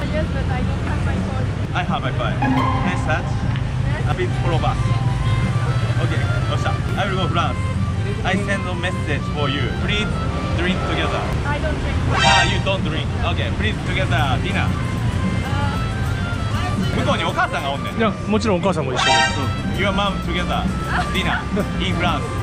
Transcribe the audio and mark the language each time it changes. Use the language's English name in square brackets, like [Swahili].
[English] Yes, but I don't have my phone. I have my phone. Can I search? Yes. A bit follow us. Okay, [Japanese] どうした？ [English] I will go France. I send a message for you. Please drink together. I don't drink. Ah, you don't drink. Okay, please together dinner. [Japanese] 向こうにお母さんがおんねん。いや、もちろんお母さんも一緒に。 [English] Your mom together dinner in France.